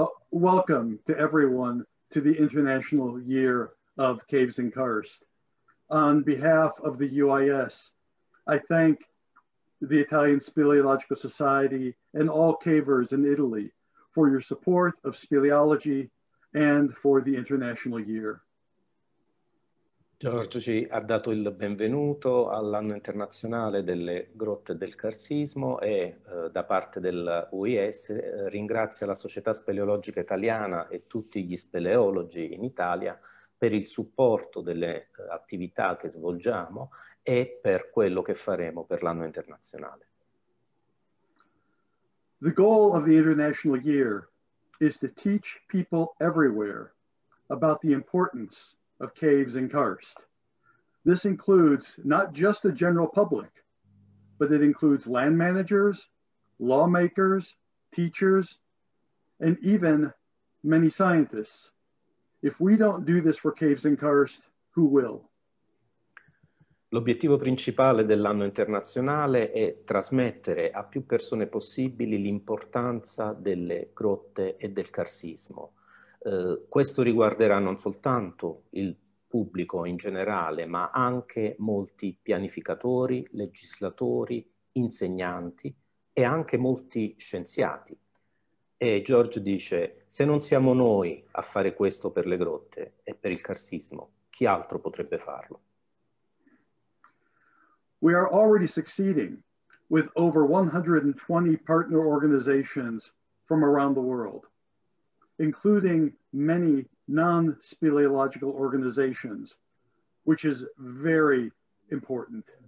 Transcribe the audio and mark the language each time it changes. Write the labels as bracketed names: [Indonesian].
[English] Welcome to everyone to the International Year of Caves and Karst. On behalf of the UIS, I thank the Italian Speleological Society and all cavers in Italy for your support of speleology and for the International Year. [Italian] Giorgio ci ha dato il benvenuto all'anno internazionale delle grotte del carsismo e da parte dell'UIS ringrazia la Società Speleologica Italiana e tutti gli speleologi in Italia per il supporto delle attività che svolgiamo e per quello che faremo per l'anno internazionale. [English] The goal of the International Year is to teach people everywhere about the importance of caves and karst. This includes not just the general public, but it includes land managers, lawmakers, teachers, and even many scientists. If we don't do this for caves and karst, who will? [Italian] L'obiettivo principale dell'anno internazionale è trasmettere a più persone possibili l'importanza delle grotte e del carsismo. Questo riguarderà non soltanto il pubblico in generale, ma anche molti pianificatori, legislatori, insegnanti e anche molti scienziati. E George dice: se non siamo noi a fare questo per le grotte e per il carsismo, chi altro potrebbe farlo? [English] We are already succeeding with over 120 partner organizations from around the world, including many non-speleological organizations, which is very important.